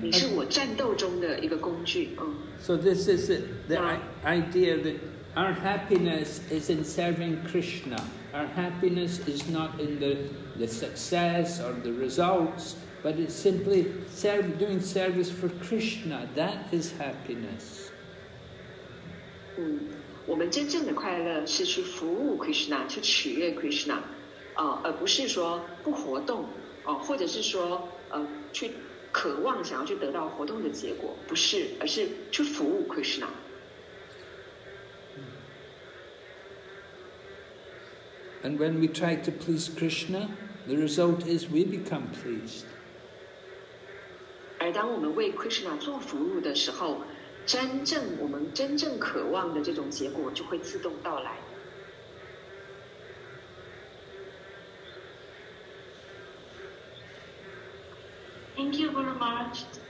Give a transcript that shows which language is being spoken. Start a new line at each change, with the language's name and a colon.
Chinese: 你是我战斗中的一个工具。
English: So this is the idea that our happiness is in serving Krishna. Our happiness is not in the success or the results, but it's simply doing service for Krishna. That is happiness.
Chinese: 我们真正的快乐是去服务 Krishna, 去取悦 Krishna, 而不是说不活动，或者是说去渴望想要去得到活动的结果，不是，而是去服务 Krishna。
English: And when we try to please Krishna, the result is we become pleased.
Chinese: 而当我们为 Krishna 做服务的时候，真正我们真正渴望的这种结果就会自动到来。
English: Thank you very much.